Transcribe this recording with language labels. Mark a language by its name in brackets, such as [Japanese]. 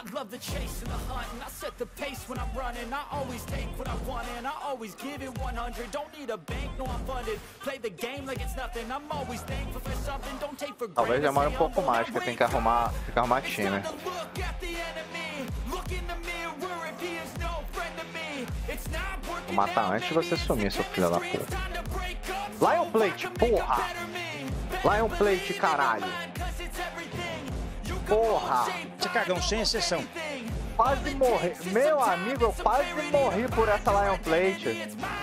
[English] The chase and the hunt, and I set the pace when I'm running. I always take what I want, and I always give it 100. Don't need a bank, no, I'm funded. Play the game like it's nothing. I'm always thankful for something. Don't take for granted. [Portuguese] Talvez demore um pouco mais, porque tem que arrumar time. [English] Look at the enemy, look in the mirror. If he is no friend to me, it's not working. [Portuguese] Vou matar antes de você sumir, seu filho da puta. Lion Plate, porra! Lion Plate, caralho! Porra! Esse cagão sem exceção. Quase morri. Meu amigo, eu quase morri por essa Lion Plate.